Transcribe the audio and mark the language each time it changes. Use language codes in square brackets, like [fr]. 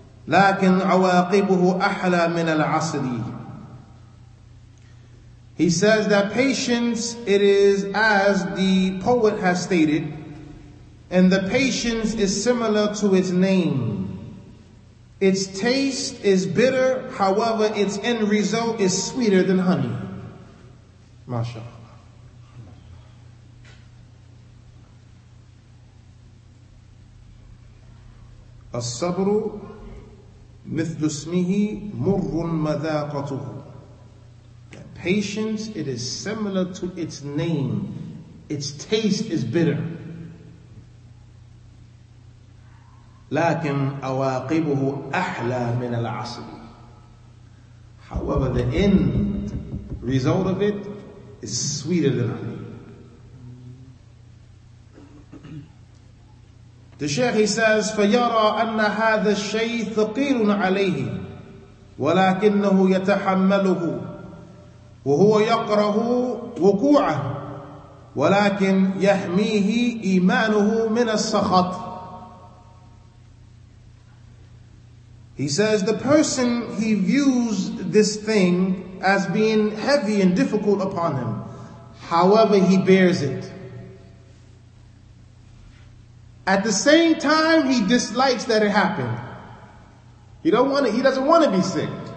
[ar] لكن عواقبه أحلى من العسل. [en] He says that patience, it is as the poet has stated, and the patience is similar to its name. Its taste is bitter, however its end result is sweeter than honey. MashaAllah. [ar] الصبر مثل اسمه مر مذاقته. [en] Patience, it is similar to its name. Its taste is bitter. [ar] لكن أواقبه أحلى من العسل. [en] However, the end result of it is sweeter than honey. The Shaykh, he says, [ar] فَيَرَى أَنَّ هَذَا الشَّيْءِ ثَقِيلٌ عَلَيْهِ وَلَكِنَّهُ يَتَحَمَّلُهُ وَهُوَ يَقْرَهُ وُقُوعَهُ ولكن يحميه إيمانه من السخط. [en] He says the person, he views this thing as being heavy and difficult upon him. However, he bears it. At the same time, he dislikes that it happened. He doesn't want to be sick.